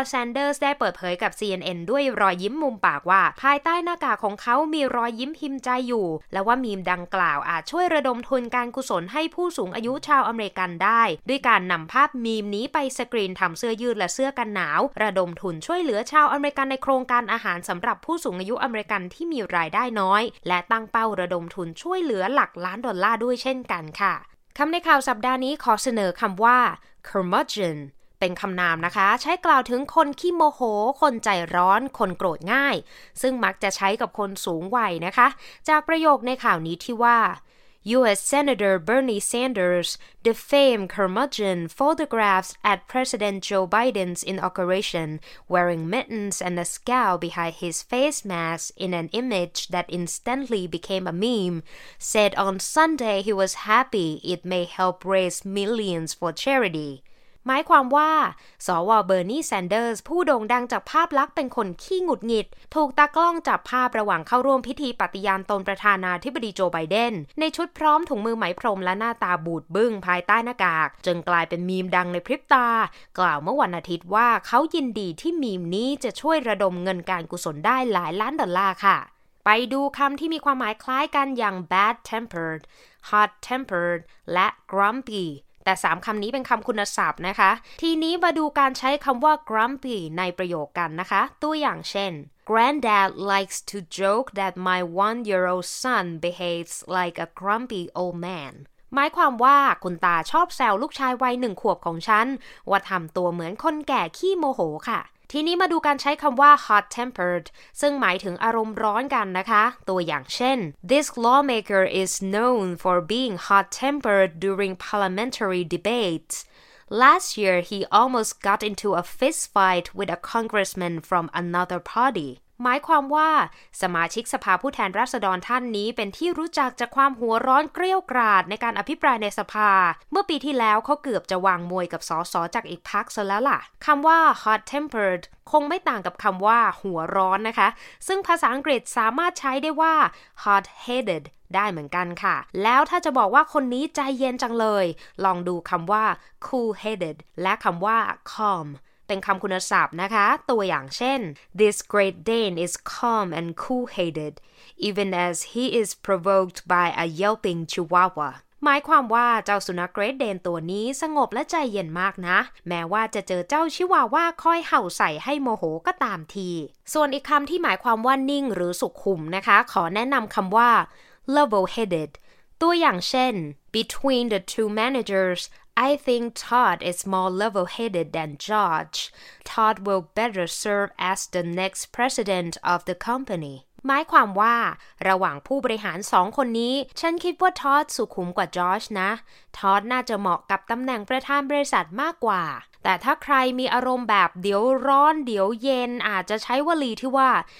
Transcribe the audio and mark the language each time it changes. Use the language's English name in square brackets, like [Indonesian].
[Thai] แซนเดอร์ได้เปิดเผยกับ CNN ด้วยรอยยิ้มมุมปากว่าภายใต้หน้ากากของเขามีรอยยิ้มพิมพ์ใจอยู่และว่ามีมดังกล่าวอาจช่วยระดมทุนการกุศลให้ผู้สูงอายุชาวอเมริกันได้ด้วยการนำภาพมีมนี้ไปสกรีนทำเสื้อยืดและเสื้อกันหนาวระดมทุนช่วยเหลือชาวอเมริกันในโครงการอาหารสำหรับผู้สูงอายุอเมริกันที่มีรายได้น้อยและตั้งเป้าระดมทุนช่วยเหลือหลักล้านดอลลาร์ด้วยเช่นกันค่ะ คำในข่าวสัปดาห์นี้ขอเสนอคำว่า curmudgeon เป็นคำนามนะคะใช้กล่าวถึงคนขี้โมโหคนใจร้อนคนโกรธง่ายซึ่งมักจะใช้กับคนสูงวัยนะคะจากประโยคในข่าวนี้ที่ว่าU.S. [English] Senator Bernie Sanders, the famed curmudgeon, photographs at President Joe Biden's inauguration wearing mittens and a scowl behind his face mask in an image that instantly became a meme, said on Sunday he was happy it may help raise millions for charity. [Thai] หมายความว่าสว. เบอร์นีแซนเดอร์สผู้โด่งดังจากภาพลักษณ์เป็นคนขี้หงุดหงิดถูกตากล้องจับภาพระหว่างเข้าร่วมพิธีปฏิญาณตนประธานาธิบดีโจไบเดนในชุดพร้อมถุงมือไหมพรมและหน้าตาบูดบึ้งภายใต้หน้ากากจึงกลายเป็นมีมดังในพริบตา กล่าวเมื่อวันอาทิตย์ว่าเขายินดีที่มีมนี้จะช่วยระดมเงินการกุศลได้หลายล้านดอลลาร์ค่ะไปดูคำที่มีความหมายคล้ายกันอย่าง bad tempered hot tempered และ grumpyแต่3คำนี้เป็นคำคุณศัพท์นะคะทีนี้มาดูการใช้คำว่า grumpy ในประโยคกันนะคะตัวอย่างเช่น [English] Granddad likes to joke that my one-year-old son behaves like a grumpy old man [Thai] หมายความว่าคุณตาชอบแซวลูกชายวัย1ขวบของฉัน ว่าทำตัวเหมือนคนแก่ขี้โมโหค่ะทีนี้มาดูการใช้คำว่า hot tempered ซึ่งหมายถึงอารมณ์ร้อนกันนะคะตัวอย่างเช่น [English] This lawmaker is known for being hot tempered during parliamentary debates. Last year he almost got into a fist fight with a congressman from another party. [Thai] หมายความว่าสมาชิกสภาผู้แทนราษฎรท่านนี้เป็นที่รู้จักจากความหัวร้อนเกรี้ยวกราดในการอภิปรายในสภาเมื่อปีที่แล้วเขาเกือบจะวางมวยกับส.ส. จากอีกพรรคซะแล้วล่ะคำว่า hot tempered คงไม่ต่างกับคำว่าหัวร้อนนะคะซึ่งภาษาอังกฤษสามารถใช้ได้ว่า hot headedได้เหมือนกันค่ะแล้วถ้าจะบอกว่าคนนี้ใจเย็นจังเลยลองดูคำว่า cool headed และคำว่า calmเป็นคำคุณศัพท์นะคะตัวอย่างเช่น [English] This Great Dane is calm and cool-headed even as he is provoked by a yelping chihuahua [Thai] หมายความว่าเจ้าสุนัขเกรทเดนตัวนี้สงบและใจเย็นมากนะแม้ว่าจะเจอเจ้าชิวาว่าคอยเห่าใส่ให้โมโหก็ตามทีส่วนอีกคำที่หมายความว่านิ่งหรือสุขุมนะคะขอแนะนำคำว่า level-headed ตัวอย่างเช่น [English] Between the two managersI think Todd is more level-headed than George. Todd will better serve as the next president of the company. [Thai] หมายความว่าระหว่างผู้บริหาร2คนนี้ฉันคิดว่าทอดสุขุมกว่าจอร์จนะทอดน่าจะเหมาะกับตำแหน่งประธานบริษัทมากกว่าแต่ถ้าใครมีอารมณ์แบบเดี๋ยวร้อนเดี๋ยวเย็นอาจจะใช้วลีที่ว่า